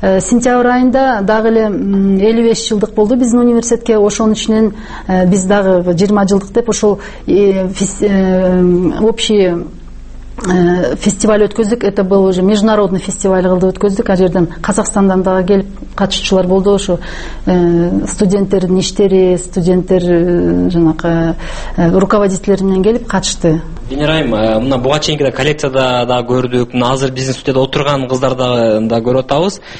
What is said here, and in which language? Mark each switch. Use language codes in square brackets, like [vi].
[ky] Сентябрь айында дагы эле 55 жылдык болду биздин университетке. Ошонун ичинен биз дагы 20 жылдык деп ушул общий фестиваль өткөздүк. [ru] Это был уже международный фестиваль [ky] кылды өткөздүк. Ал жерден Казакстандан дагы келип катышуучулар болду. Ошо студенттердин иштери, студенттер жанакы руководителлери менен келип катышты. Динара айым, мына буга чейинки да коллекцияда дагы көрдүк, мына азыр биздин студияда отурган кыздар да көрүп атабыз.